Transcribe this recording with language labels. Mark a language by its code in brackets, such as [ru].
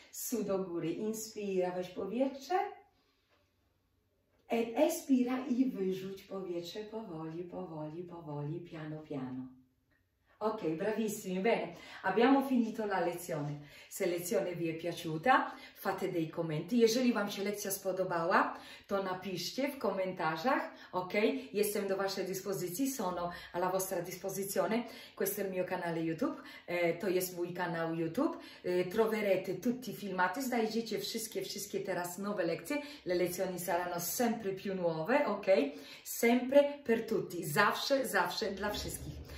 [pl] Su do góry, [it] inspira, [pl] weź powietrze. [it] Espira [pl] i wyrzuć powietrze powoli, powoli, powoli, [it] piano, piano. Ok, bravissimi, bene. Abbiamo finito la lezione. Se lezione vi è piaciuta, fate dei commenti. [pl] Jeżeli vam się lekcja spodobała, to napiszcie w commentarzach, ok? Jestem do waszej dispozycji, [it] sono alla vostra disposizione. Questo è il mio canale YouTube, [pl] to jest mój kanał YouTube. [it] Troverete tutti i filmati, [pl] znajdziecie wszystkie, wszystkie teraz nowe lekcje. [it] Le lezioni saranno sempre più nuove, ok? Sempre per tutti, [pl] zawsze, zawsze dla wszystkich.